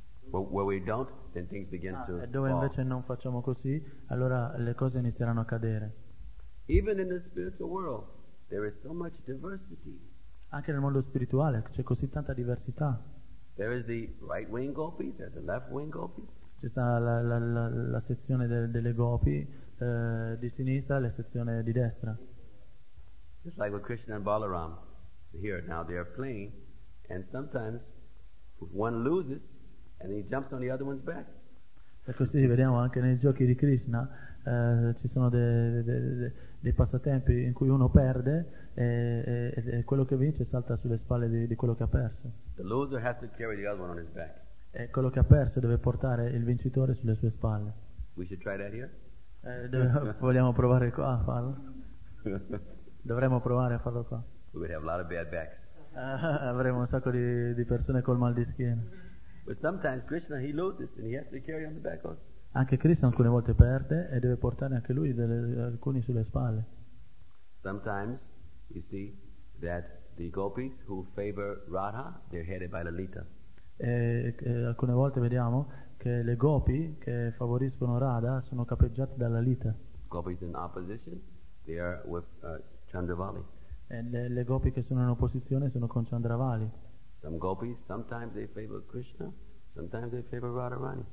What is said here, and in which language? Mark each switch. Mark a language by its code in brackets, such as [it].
[en] Where we don't, then things begin to fall. [it] E dove invece [en] fall. [it] Non facciamo così, allora le cose inizieranno a cadere. [en] Even in the spiritual world, there is so much diversity. [it] Anche nel mondo spirituale c'è così tanta diversità. [en] There is the right wing gopi, there's the left wing gopi. [it] C'è la sezione delle gopi di sinistra, la sezione di destra. [en] Just like with Krishna and Balaram, here now they are playing, and sometimes one loses and he jumps on the other one's back. [it] E così vediamo anche nei giochi di Krishna ci sono dei passatempi in cui uno perde e quello che vince salta sulle spalle di quello che ha perso. [en] The loser has to carry the other one on his back. [it] E quello che ha perso deve portare il vincitore sulle sue spalle. [en] We should try that here. [it] Vogliamo provare qua a farlo? Dovremmo provare a farlo qua. [en] We would have a lot of bad backs. [it] Avremo un sacco di persone col mal di schiena. [en] But sometimes Krishna he loses and he has to carry on the back also. [it] Anche Krishna alcune volte perde e deve portare anche lui alcuni sulle spalle. [en] Sometimes you see that the gopis who favor Radha, they're headed by Lalita. [it] E alcune volte vediamo che le gopi che favoriscono Radha sono capeggiate da Lalita. [en] Gopis in opposition, they are with Chandravali. [it] E le gopi che sono in opposizione sono con Chandravali. [en] Some gopis sometimes they favor Krishna. Sometimes they favor Radharani.